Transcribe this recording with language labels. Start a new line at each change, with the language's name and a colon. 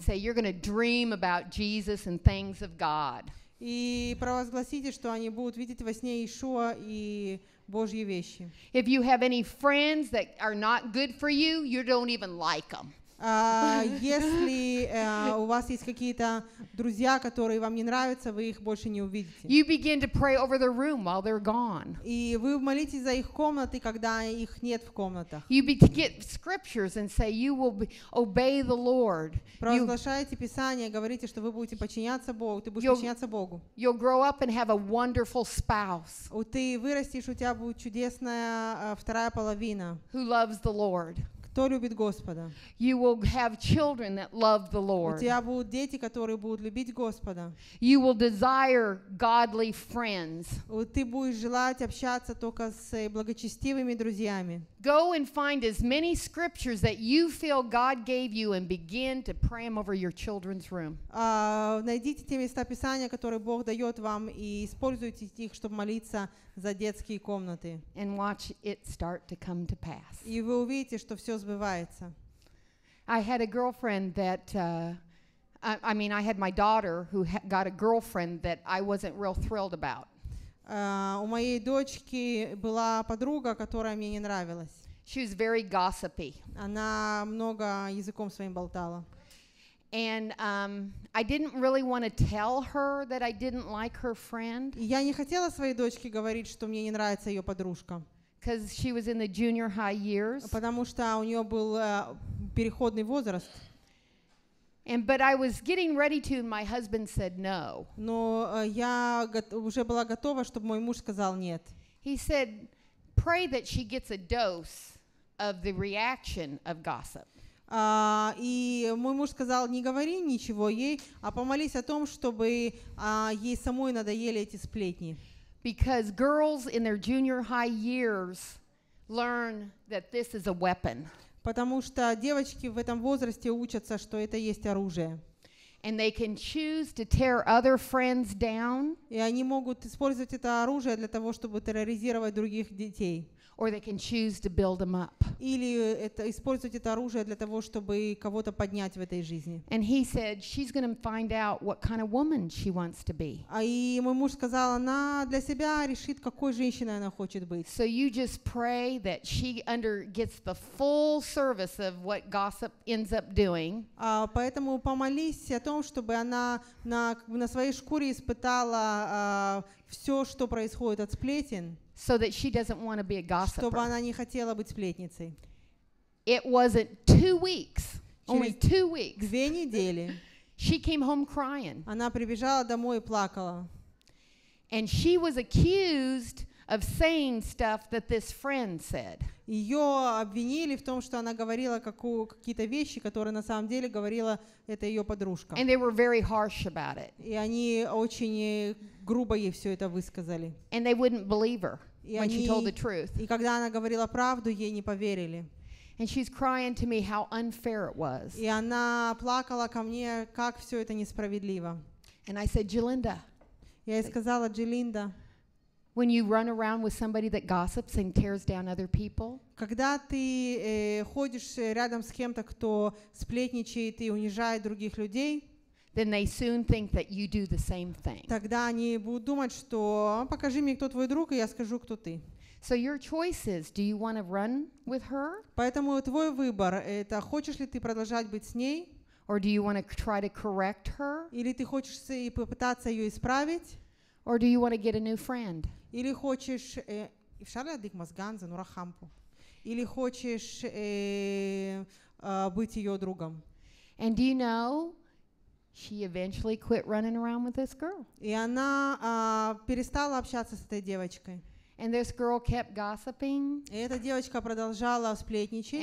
English: Say you're going to dream about Jesus and things of God.
Russian: И провозгласите, что они будут видеть во сне Иешуа и Божьи вещи.
English: If you have any friends that are not good for you, you don't even like them.
Russian: Если у вас есть какие-то друзья, которые вам не нравятся, вы их больше не увидите.
English: You begin to pray over their room while they're gone.
Russian: И вы молитесь за их комнаты, когда их нет в комнатах.
English: You get scriptures and say you will obey the Lord.
Russian: Провозглашаете Писание, говорите, что вы будете подчиняться Богу, ты будешь подчиняться Богу.
English: You'll grow up and have a wonderful spouse.
Russian: Ты вырастешь, у тебя будет чудесная вторая половина.
English: Who loves the Lord.
Russian: Кто любит Господа?
English: You will have children that love the Lord.
Russian: У тебя будут дети, которые будут любить Господа.
English: You will desire godly friends.
Russian: Ты будешь желать общаться только с благочестивыми друзьями.
English: Go and find as many scriptures that you feel God gave you and begin to pray them over your children's room.
Russian: Найдите те места Писания, которые Бог дает вам, и используйте их, чтобы молиться за детские комнаты.
English: And watch it start to come to pass.
Russian: И вы увидите, что все сбывается.
English: I had a girlfriend that, I had my daughter who got a girlfriend that I wasn't real thrilled about.
Russian: У моей дочки была подруга, которая мне не нравилась.
English: She was very gossipy.
Russian: Она много языком своим болтала.
English: And I didn't really want to tell her that I didn't like her friend.
Russian: Я не хотела своей дочке говорить, что мне не нравится ее подружка.
English: Because she was in the junior high years.
Russian: Потому что у нее был переходный возраст.
English: And but I was getting ready to, and my husband said no.
Russian: Но я уже была готова, чтобы мой муж сказал нет.
English: He said, "Pray that she gets a dose of the reaction of gossip."
Russian: И мой муж сказал, не говори ничего ей, а помолись о том, чтобы ей самой надоели эти сплетни.
English: Because girls in their junior high years learn that this is a weapon.
Russian: Потому что девочки в этом возрасте учатся, что это есть оружие.
English: And they can choose to tear other friends down.
Russian: И они могут использовать это оружие для того, чтобы терроризировать других детей.
English: Or they can choose to build them up.
Russian: Или это использовать это оружие для того, чтобы кого-то поднять в этой жизни.
English: And he said she's going to find out what kind of woman she wants to be.
Russian: А и мой муж сказал, она для себя решит, какой женщиной она хочет быть.
English: So you just pray that she gets the full service of what gossip ends up doing.
Russian: Поэтому помолись о том, чтобы она на своей шкуре испытала все, что происходит от сплетен.
English: So that she doesn't want to be a gossiper.
Russian: Чтобы она не хотела быть сплетницей.
English: It wasn't 2 weeks. Only 2 weeks.
Russian: Две недели.
English: She came home crying.
Russian: Она прибежала домой и плакала.
English: And she was accused of saying stuff that this friend said.
Russian: Ее обвинили в том, что она говорила какие-то вещи, которые на самом деле говорила эта ее подружка.
English: And they were very harsh about it.
Russian: И они очень грубо ей все это высказали.
English: And they wouldn't believe her when she told the truth.
Russian: И когда она говорила правду, ей не поверили.
English: And she's crying to me how unfair it was.
Russian: И она плакала ко мне, как все это несправедливо.
English: And I said, Jelinda.
Russian: Я ей сказала, Джелинда.
English: When you run around with somebody that gossips and tears down other people,
Russian: когда ты ходишь рядом с кем-то, кто сплетничает и унижает других людей,
English: then they soon think that you do the same thing.
Russian: Тогда они будут думать, что покажи мне, кто твой друг, и я скажу, кто ты.
English: So your choice is: do you want to run with her?
Russian: Поэтому твой выбор – это хочешь ли ты продолжать быть с ней,
English: or do you want to try to correct her?
Russian: Или ты хочешь и попытаться ее исправить?
English: Or do you want to get a new friend?
Russian: Или хочешь Шарля Дигмазганза Нурахампу? Или хочешь быть ее другом?
English: And do you know she eventually quit running around with this girl?
Russian: И она перестала общаться с этой девочкой.
English: And this girl kept gossiping.
Russian: И эта девочка продолжала сплетничать.